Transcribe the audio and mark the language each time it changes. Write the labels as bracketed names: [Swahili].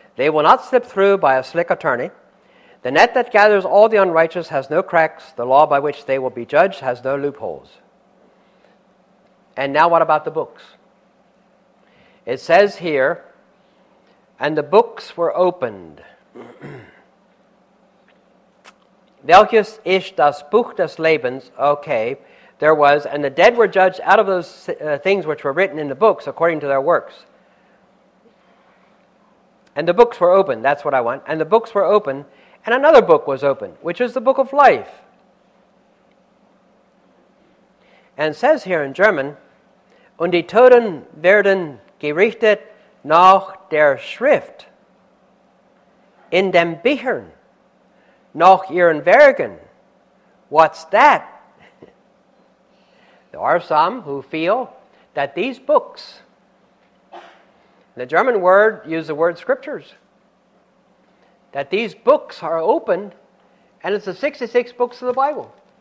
[English] They will not slip through by a slick attorney. The net that gathers all the unrighteous has no cracks. The law by which they will be judged has no loopholes. And now what about the books? It says here, and the books were opened. [German] Welches ist das Buch des Lebens? [English] Okay, there was, and the dead were judged out of those things which were written in the books according to their works. And the books were opened, that's what I want. And the books were opened, and another book was opened, which is the book of life. And it says here in German, [German] und die Toten werden gerichtet nach der Schrift in den Büchern nach ihren Werken. [English] What's that? There are some who feel that these books, the German word used the word scriptures, that these books are opened, and it's the 66 books of the Bible.